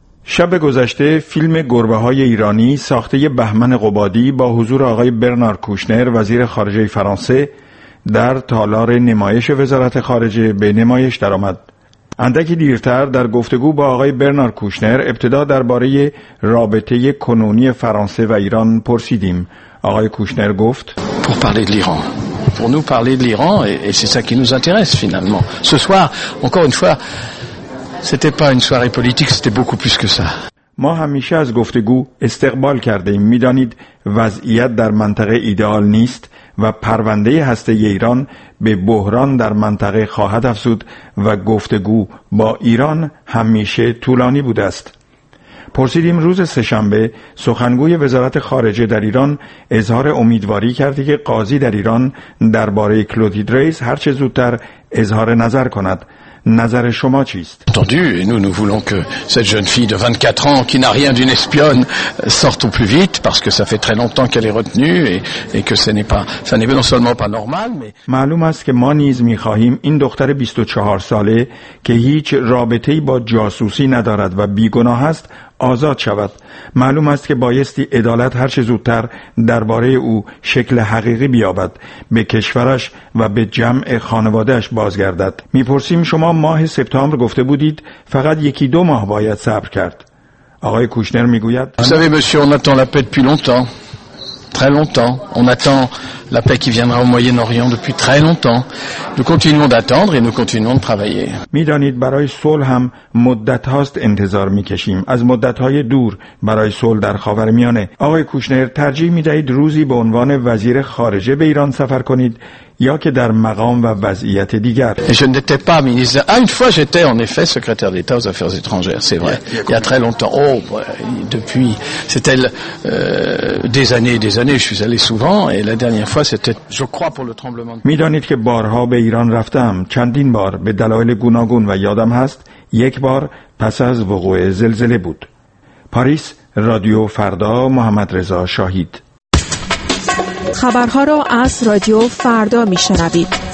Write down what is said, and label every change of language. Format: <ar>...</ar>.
<fa>شب گذشته فیلم گربه های ایرانی ساخته بهمن قبادی با حضور آقای برنارد کوشنر، وزیر خارجه فرانسه، در تالار نمایش وزارت خارجه به نمایش درآمد. اندکی دیرتر در گفتگو با آقای برنارد کوشنر ابتدا درباره رابطه کنونی فرانسه و ایران پرسیدیم. آقای کوشنر گفت:</fa> <fr>Pour parler de l'Iran. Pour nous parler de l'Iran et c'est ça qui nous intéresse finalement. Ce soir, encore une fois, c'était pas une soirée politique, c'était beaucoup plus que ça.</fr> <fa>ما همیشه از گفتگو استقبال کردیم. میدانید وضعیت در منطقه ایدئال نیست و پرونده هسته ایران به بحران در منطقه خواهد افزود و گفتگو با ایران همیشه طولانی بوده است. پرسیدیم روز سه‌شنبه سخنگوی وزارت خارجه در ایران اظهار امیدواری کرده که قاضی در ایران درباره کلودی دریس هر چه زودتر اظهار نظر کند. نظر شما چیست؟</fa> <fr>Entendu, et nous voulons que cette jeune fille de 24 ans qui n'a rien d'une espionne sorte au plus vite parce que ça fait très longtemps qu'elle est retenue et que ce n'est non seulement pas normal mais</fr> <fa>معلوم است که ما نیز می‌خواهیم این دختر 24 ساله که هیچ رابطه‌ای با جاسوسی ندارد و بی‌گناه است آزاد شود. معلوم است که بایستی عدالت هر چه زودتر درباره او شکل حقیقی بیابد، به کشورش و به جمع خانواده‌اش بازگردد. می‌پرسیم شما ماه سپتامبر گفته بودید فقط یکی دو ماه باید صبر کرد. آقای کوشنر می‌گوید:</fa> <fr>Vous savez monsieur, on attend la paix depuis longtemps. Très longtemps. On attend la paix qui viendra au Moyen-Orient depuis très longtemps. Nous continuons d'attendre et nous continuons de travailler.</fr> <fa>می‌دانید برای صلح هم مدت هاست انتظار می‌کشیم. از مدت‌های دور برای صلح در خاورمیانه. آقای کوشنر ترجیح می‌دهید روزی به عنوان وزیر خارجه به ایران سفر کنید یا که در مقام و وضعیت دیگر؟</fa> <fr>Je n'étais pas ministre. Ah, une fois j'étais en effet secrétaire d'État aux affaires étrangères, c'est vrai. Il y a très longtemps. Oh, depuis c'était des années, je suis allé souvent et la dernière fois c'était je crois pour le tremblement.</fr> <fa>می‌دانید که بارها به ایران رفتم، چندین بار به دلایل گوناگون و یادم هست یک بار پس از وقوع زلزله بود. پاریس، رادیو فردا، محمد رضا شاهید. خبرها را از رادیو فردا می شنوید.</fa>